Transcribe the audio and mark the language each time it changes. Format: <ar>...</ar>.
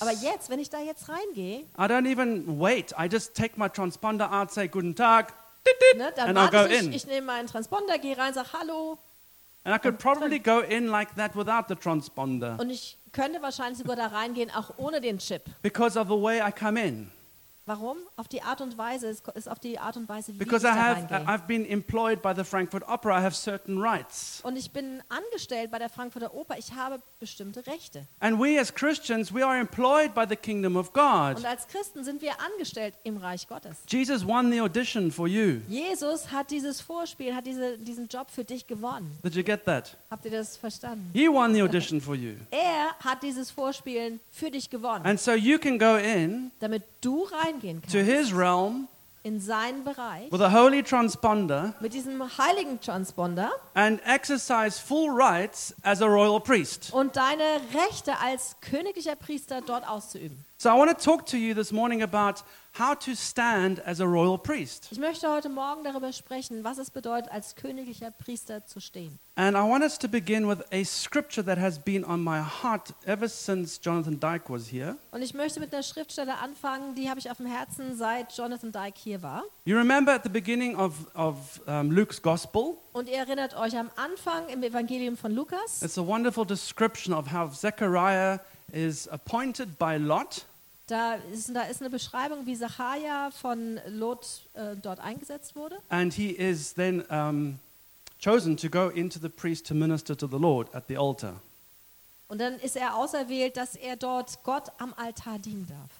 <de>aber jetzt, wenn ich da jetzt reingehe,</de> <en>I don't even wait. I just take my transponder out, say</en> <de>guten Tag. Ne, dann warte ich nehme meinen Transponder, gehe rein, sag hallo.</de> <en>And I could probably go in like that without the transponder.</en> <de>Und ich könnte wahrscheinlich sogar da reingehen, auch ohne den Chip.</de> <en>Because of the way I come in.</en> <de>Warum? Auf die Art und Weise, ist auf die Art und Weise, wie</de> <en>because</en> <de>ich da reingehe.</de> <en>I've been employed by the Frankfurt Opera, I have certain rights.</en> <de>Und ich bin angestellt bei der Frankfurter Oper, ich habe bestimmte Rechte.</de> <en>And we as Christians, we are employed by the kingdom of God.</en> <de>Und als Christen sind wir angestellt im Reich Gottes.</de> <en>Jesus won the audition for you.</en> <de>Jesus hat dieses Vorspiel, hat diesen Job für dich gewonnen.</de> <en>Did you get that?</en> <de>Habt ihr das verstanden?</de> <en>He won the audition for you.</en> <de>Er hat dieses Vorspiel für dich gewonnen.</de> <en>And so you can go in.</en> <de>Damit du rein</de> <en>to his realm,</en> <de>in seinen Bereich,</de> <en>with a holy transponder,</en> <de>mit diesem heiligen Transponder,</de> <en>and exercise full rights as a royal priest,</en> <de>und deine Rechte als königlicher Priester dort auszuüben.</de> <en>So I want to talk to you this morning about how to stand as a royal priest.</en> <de>Ich möchte heute Morgen darüber sprechen, was es bedeutet, als königlicher Priester zu stehen.</de> <en>And I want us to begin with a scripture that has been on my heart ever since Jonathan Dyke was here.</en> <de>Und ich möchte mit einer Schriftstelle anfangen, die habe ich auf dem Herzen, seit Jonathan Dyke hier war.</de> <en>You remember at the beginning of Luke's Gospel?</en> <de>Und ihr erinnert euch am Anfang im Evangelium von Lukas?</de> <en>It's a wonderful description of how Zechariah is appointed by Lot.</en> <de>Da ist eine Beschreibung, wie Zacharia von Lot dort eingesetzt wurde.</de> <en>And he is then chosen to go into the priest to minister to the Lord at the altar.</en> <de>Und dann ist er auserwählt, dass er dort Gott am Altar dienen darf.</de>